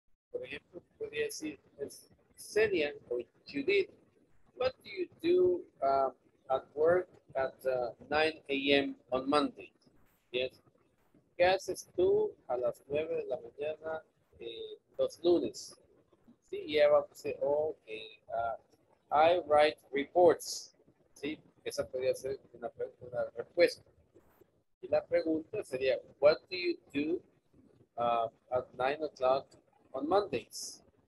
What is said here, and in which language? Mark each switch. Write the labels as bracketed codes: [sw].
[es] Por ejemplo, podría decir, es Celia o Judith. [en] What do you do at work at 9 a.m. on Monday? Yes. [es] ¿Qué haces tú a las 9 de la mañana los lunes? Sí, y ella va a decir, [en] okay, I write reports. [es] Sí, esa podría ser una respuesta. Y la pregunta sería, [en] what do you do at 9 o'clock on Mondays?